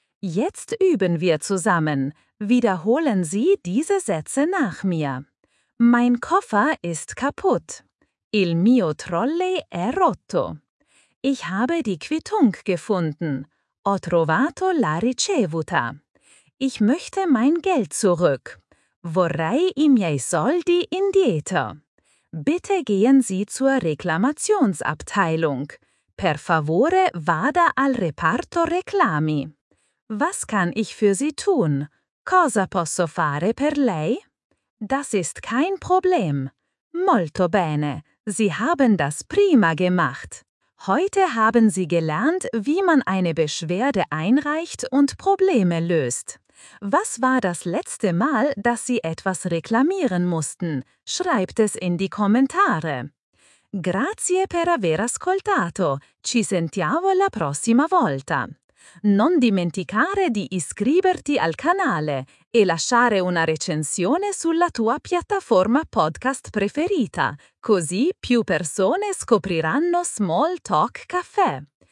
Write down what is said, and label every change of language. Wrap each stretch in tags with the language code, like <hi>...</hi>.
<de>Jetzt üben wir zusammen. Wiederholen Sie diese Sätze nach mir. Mein Koffer ist kaputt.</de> <it>Il mio trolley è rotto.</it> <de>Ich habe die Quittung gefunden.</de> <it>Ho trovato la ricevuta.</it> <de>Ich möchte mein Geld zurück.</de> <it>Vorrei i miei soldi indietro.</it> <de>Bitte gehen Sie zur Reklamationsabteilung.</de> <it>Per favore vada al reparto reclami.</it> <de>Was kann ich für Sie tun?</de> <it>Cosa posso fare per lei?</it> <de>Das ist kein Problem.</de> <it>Molto bene.</it> <de>Sie haben das prima gemacht. Heute haben Sie gelernt, wie man eine Beschwerde einreicht und Probleme löst. Was war das letzte Mal, dass Sie etwas reklamieren mussten? Schreibt es in die Kommentare.</de> <it>Grazie per aver ascoltato. Ci sentiamo la prossima volta. Non dimenticare di iscriverti al canale e lasciare una recensione sulla tua piattaforma podcast preferita, così più persone scopriranno Small Talk Caffè.</it>